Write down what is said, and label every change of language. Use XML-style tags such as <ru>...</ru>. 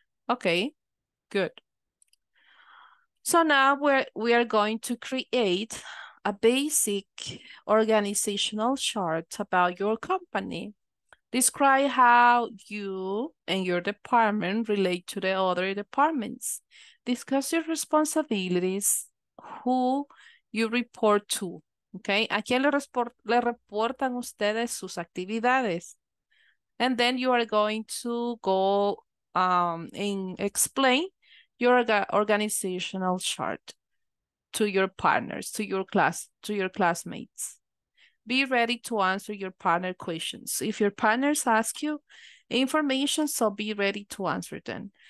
<en>Okay, good. So now we are going to create a basic organizational chart about your company. Describe how you and your department relate to the other departments. Discuss your responsibilities, who you report to.</en> <es>Okay, ¿a quién le reportan ustedes sus actividades?</es> <en>And then you are going to go and explain your organizational chart to your partners, to your class, to your classmates. Be ready to answer your partner questions. If your partners ask you information, so be ready to answer them.</en>